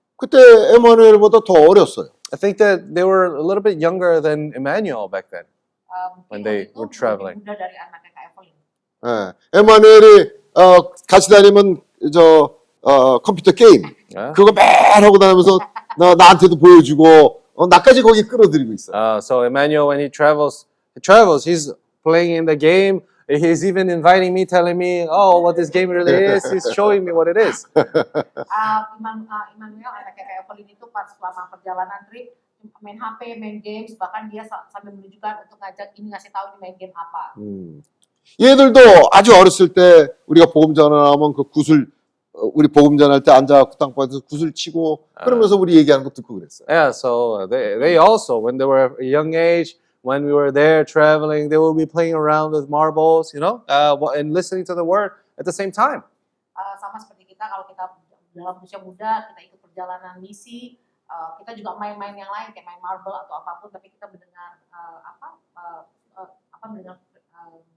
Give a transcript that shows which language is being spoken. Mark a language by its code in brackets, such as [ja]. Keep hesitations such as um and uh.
[en] I think that they were a little bit younger than Emmanuel back then um, when they, they were traveling. 돼, 돼, 돼, 돼, 예. [ko] 에마누엘이 같이 다니면 저 컴퓨터 게임 그거 맨 하고 다니면서 나, 나한테도 보여주고 나까지 거기 끌어들이고 있어. [en] so Emmanuel when he travels, travels, he's playing in the game. He's even inviting me, telling me, oh, what this game really is. He's showing me what it is. [id] Ah, Emmanuel, anak kayak Evelyn itu pas selama perjalanan trip main g a m e [ko] 얘들도 아주 어렸을 때 우리가 복음 전하면 그 구슬 우리 복음 전할 때 앉아 땅바닥에서 구슬 치고 그러면서 우리 얘기하는 거 듣고 그랬어요. [en] Yeah, so they they also when they were young age when we were there traveling they would be playing around with marbles, you know, uh, and listening to the word at the same time. [id] Uh, sama seperti kita kalau kita dalam usia muda kita ikut perjalanan misi uh, kita juga main-main yang lain kayak main marble atau apapun tapi kita mendengar uh, apa uh, uh, apa mendengar uh,